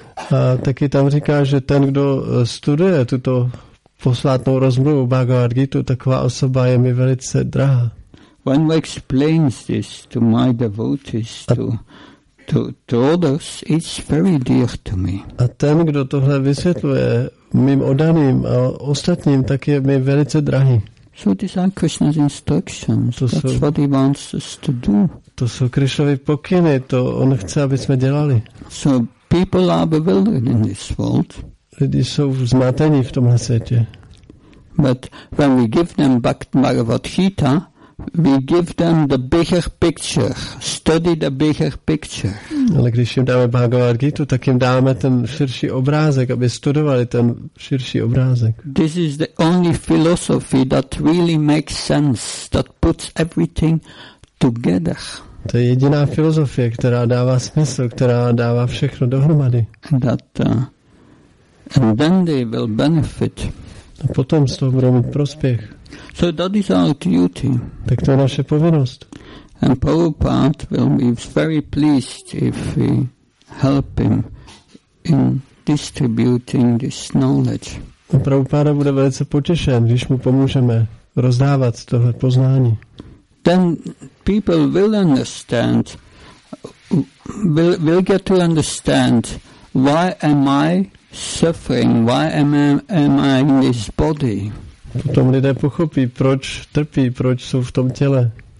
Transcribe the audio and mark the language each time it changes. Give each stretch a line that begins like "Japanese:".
Czech: A taky tam říká, že ten, kdo studuje tuto posvátnou rozmluvu Bhagavad Gita, taková osoba je mi velice drahá.
English: One who explains this to my devotees, to others, it's very dear to me.
Czech: A ten, kdo tohle vysvětluje mým oddaným a ostatním, tak je mi velice drahý.
English: So these are Krishna's instructions. To That's what he wants us to do.
Czech: To jsou Krishnovy pokyny, to on chce, aby jsme dělali.
English: So people are bewildered in this world.
Czech: Lidi jsou zmatení v tomhle světě.
English: But when we give them back Bhagavad Gita, we give them the bigger picture. Study the bigger picture.
Czech: Ale když jim dáme Bhagavad Gita, tak jim dáme ten širší obrázek, aby studovali ten širší obrázek.
English: This is the only philosophy that really makes sense, that puts everything together.
Czech: To je jediná filozofie, která dává smysl, která dává všechno dohromady.
English: And then they will benefit.
Czech: A potom z toho budou mít prospěch.
English: So that is our duty.
Czech: Tak to je naše povinnost.
English: And Prabhupada will be very pleased if we help him in distributing this knowledge.
Czech: A Prabhupada bude velice potěšen, když mu pomůžeme rozdávat tohle poznání.
English: Then people will understand, will get to understand why am I suffering, why am I in this body.
Czech: Potom lidé pochopí, proč trpí, proč jsou v tom těle.